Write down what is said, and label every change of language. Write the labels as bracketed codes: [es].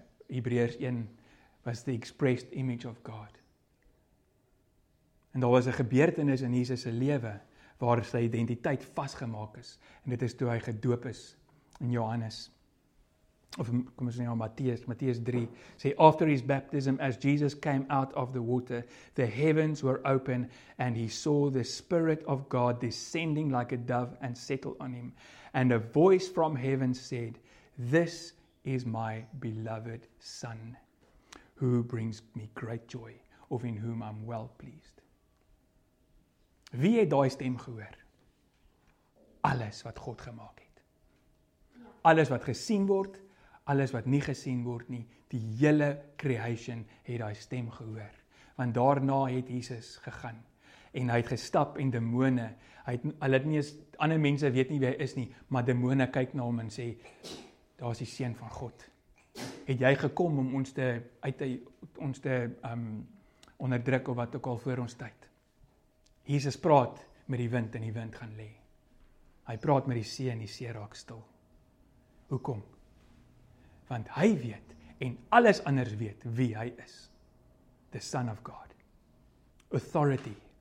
[en] Hebreërs 1 was the expressed image of God. [af] En daar was 'n gebeurtenis in Jesus se lewe waar sy identiteit vasgemaak is. En dit is toe hy gedoop is in Johannes. Of kom ons sê nou Matteus, Matteus 3 sê [en] after his baptism as Jesus came out of the water, the heavens were open and he saw the Spirit of God descending like a dove and settle on him. And a voice from heaven said, this is my beloved son who brings me great joy, of in whom I'm well pleased. [af] Wie het daai stem gehoor? Alles wat God gemaak het. Alles wat gesien word, alles wat nie gesien word nie, die hele creation het daai stem gehoor. Want daarna het Jesus gegaan en hy het gestap en demone, hulle het nie eens, ander mense weet nie wie hy is nie, maar demone kyk na hom en sê, daar is die seun van God. Het jy gekom om ons te onderdruk of wat ook al voor ons tyd? Jesus praat met die wind en die wind gaan lê. Hy praat met die see en die see raak stil. Hoekom? Want hy weet en alles anders weet wie hy is. [en] The Son of God. Authority.